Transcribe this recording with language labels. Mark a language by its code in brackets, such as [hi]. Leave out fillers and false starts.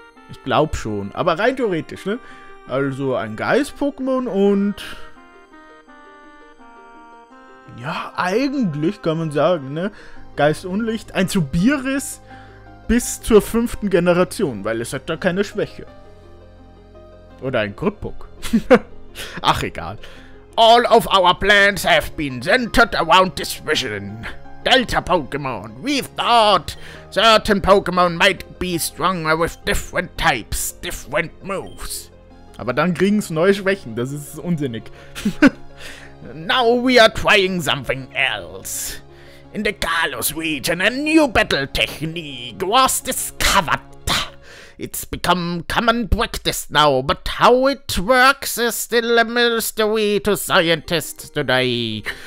[de] Ich glaub schon, aber rein theoretisch, ne? Also ein Geist-Pokémon und... Ja, eigentlich kann man sagen, ne? Geist und Licht, ein Zubiris bis zur 5. Generation, weil es hat da keine Schwäche. Oder ein Grippuck. Ach, egal. [en] All of our plans have been centered around this vision. Delta Pokémon, we thought certain Pokémon might be stronger with different types, different moves. [de] Aber dann kriegen es neue Schwächen, das ist unsinnig. [en] Now we are trying something else. In the Kalos region, a new battle technique was discovered. It's become common practice now, but how it works is still a mystery to scientists today.